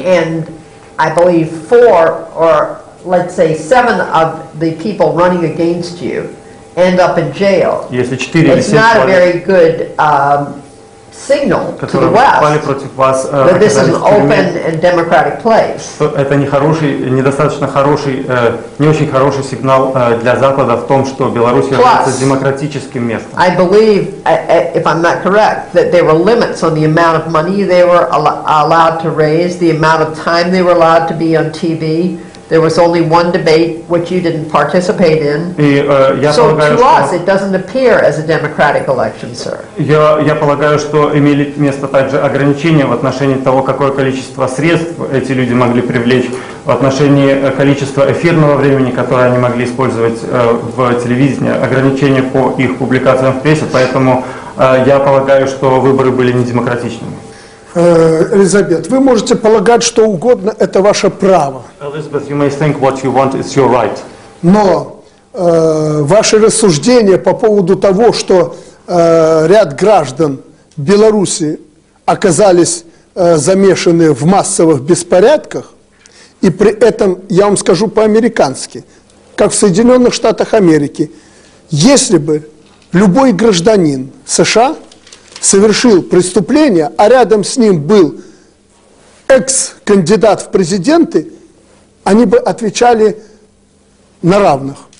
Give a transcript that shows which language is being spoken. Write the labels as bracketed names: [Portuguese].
[English] and I believe four or let's say seven of the people running against you end up in jail, [Russian] если 4 или 7 [English] it's not a very good signal to the West that this is an open and democratic place. [Russian] Это не очень хороший сигнал для Запада в том, что Беларусь является демократическим местом. [English] I believe, if I'm not correct, that there were limits on the amount of money they were allowed to raise, the amount of time they were allowed to be on TV, There was only one debate, which you didn't participate in. So to us, it doesn't appear as a democratic election, sir. [Russian] Я полагаю, что имели место также ограничения в отношении того, какое количество средств эти люди могли привлечь, в отношении количества эфирного времени, которое они могли использовать в телевидении, ограничения по их публикациям в прессе. Поэтому я полагаю, что выборы были недемократичными. Элизабет, вы можете полагать, что угодно, это ваше право. [English] Elizabeth, you may think what you want, it's your right. [Russian] Но ваши рассуждения по поводу того, что ряд граждан Беларуси оказались замешаны в массовых беспорядках, и при этом, я вам скажу по-американски, как в Соединенных Штатах Америки, если бы любой гражданин США совершил преступление, а рядом с ним был экс-кандидат в президенты, они бы отвечали на равных.